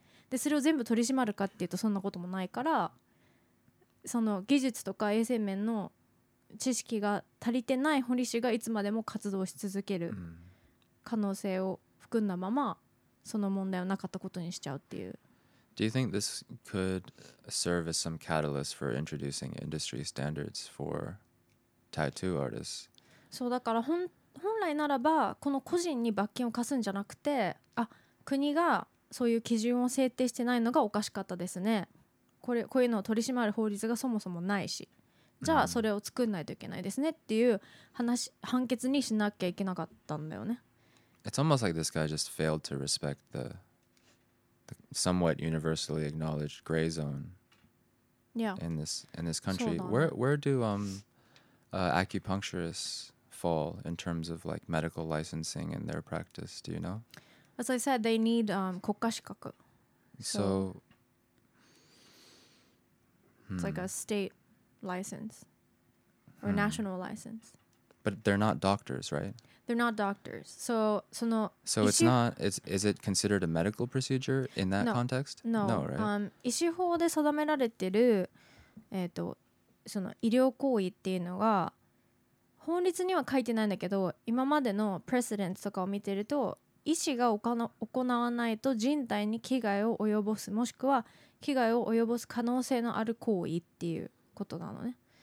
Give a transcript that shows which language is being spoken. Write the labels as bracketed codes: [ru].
[ja] でそれを全部取り締まるかっていうとそんなこともないから、その技術とか衛生面の知識が足りてない彫り師がいつまでも活動し続ける可能性を含んだまま、その問題をなかったことにしちゃうっていう。 [en] Do you think this could serve as some catalyst for introducing industry standards for tattoo artists? [ja] そうだから、本来ならばこの個人に罰金を課すんじゃなくて、あ、国がそういう基準を制定してないのがおかしかったですね、これこういうのを取り締まる法律がそもそもないし、じゃあそれを作んないといけないですねっていう話、判決にしなきゃいけなかったんだよね。 [en] It's almost like this guy just failed to respect the somewhat universally acknowledged gray zone in this country. Where do acupuncturists fall in terms of like medical licensing and their practice? Do you know? As I said, they need 国家資格。 So it's like a state license or national license. But they're not doctors, right? They're not doctors. So, is it considered a medical procedure in that context? No, right? [ja] 医師法で定められてる、その医療行為っていうのが法律には書いてないんだけど、今までのプレセデンスとかを見てると、医師が行わないと人体に危害を及ぼす、もしくは危害を及ぼす可能性のある行為っていうことなのね。